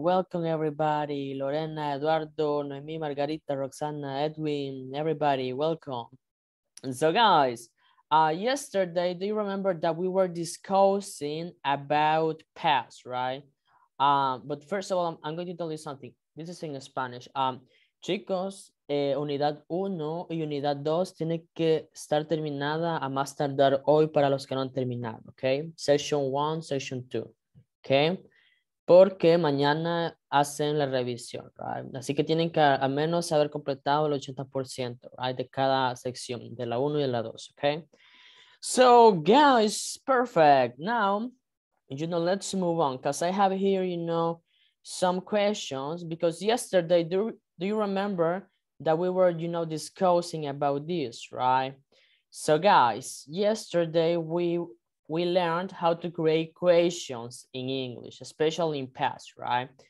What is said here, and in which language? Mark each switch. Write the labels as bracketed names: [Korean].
[English] Welcome, everybody. Lorena, Eduardo, Noemi, Margarita, Roxana, Edwin, everybody, welcome. And so, guys, yesterday, do you remember that we were discussing about past, right? But first of all, I'm going to tell you something. This is in Spanish. [Spanish] Chicos, unidad 1 y unidad 2 tiene que estar terminada a más tardar hoy para los que no han terminado, okay? [English] Session 1, session 2, [Spanish] okay? Porque mañana hacen la revisión, right? Así que tienen que al menos haber completado el 80%, right? De cada sección, de la 1 y de la 2, okay? [English] So, guys, perfect. Now, you know, let's move on, because I have here, you know, some questions, because yesterday, do you remember that we were, you know, discussing about this, right? So, guys, yesterday, we learned how to create questions in English, especially in past, right?